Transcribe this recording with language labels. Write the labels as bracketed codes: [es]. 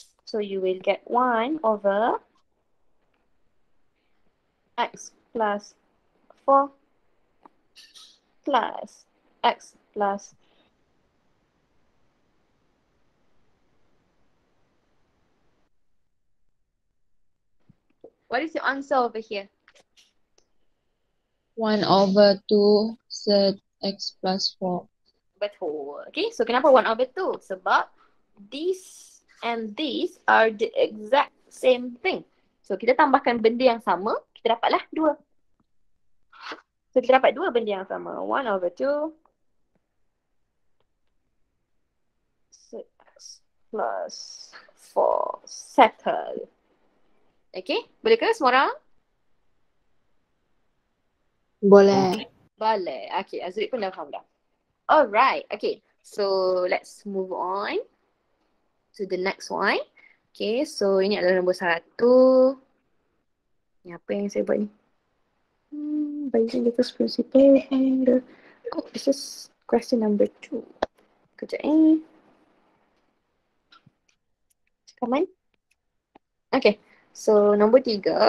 [en] So you will get 1 over x plus 4 plus x plus 4. What is your answer over here? 1 over 2 set x plus 4. [ms] Betul. Okay, so kenapa 1 over 2? Sebab [en] this and this are the exact same thing. [ms] So kita tambahkan benda yang sama, kita dapatlah 2. So kita dapat 2 benda yang sama. [en] 1 over 2 set x plus 4. Settle. [ms] Okay, boleh ke semua orang? Boleh. Boleh. Okay, Azri pun dah faham dah. Alright, okay. [en] So, let's move on to the next one. [ms] Okay, so ini adalah nombor 1. Ini apa yang saya buat ni? [en] By using the first principle and the... Oh, this is question number 2. [ms] Kejap eh. [en] Come on. Okay. So, nombor 3.